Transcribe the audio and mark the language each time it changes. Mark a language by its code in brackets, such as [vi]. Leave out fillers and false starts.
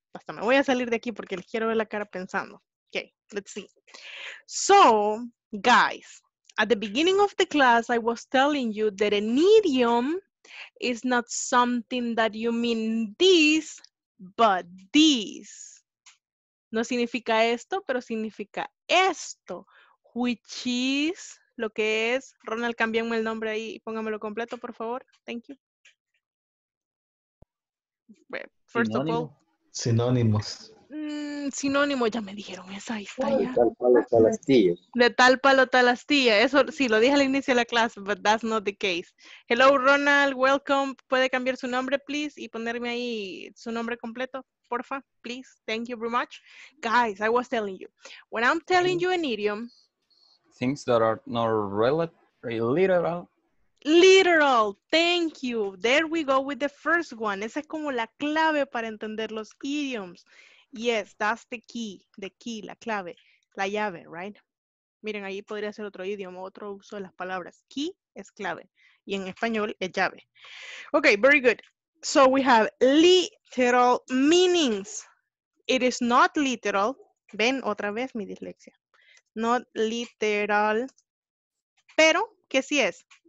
[es] Hasta me voy a salir de aquí porque les quiero ver la cara pensando. [en] Okay, let's see. So, guys, at the beginning of the class, I was telling you that an idiom is not something that you mean this, but this. [es] No significa esto, pero significa esto, [en] which is [es] lo que es. Ronald, cámbiame el nombre ahí y póngamelo completo, por favor. [en] Thank you. First of all. [es] Sinónimos. Sinónimo, ya me dijeron esa, ahí está ya. De tal palo, tal astilla. Eso sí, lo dije al inicio de la clase, [en] but that's not the case. Hello, Ronald, welcome. [es] ¿Puede cambiar su nombre, [en] please? [es] Y ponerme ahí su nombre completo, porfa, [en] please. Thank you very much. Guys, I was telling you. When I'm telling you an idiom. Things that are not literal. Literal, thank you. There we go with the first one. [es] Esa es como la clave para entender los idioms. [en] Yes, that's the key, [es] la clave, la llave, [en] right? [es] Miren, ahí podría ser otro idioma, otro uso de las palabras. Key es clave, y en español es llave. [en] Okay, very good. So we have literal meanings. It is not literal. [es] Ven, otra vez mi dislexia. [en] Not literal. [es] Pero, ¿qué sí es?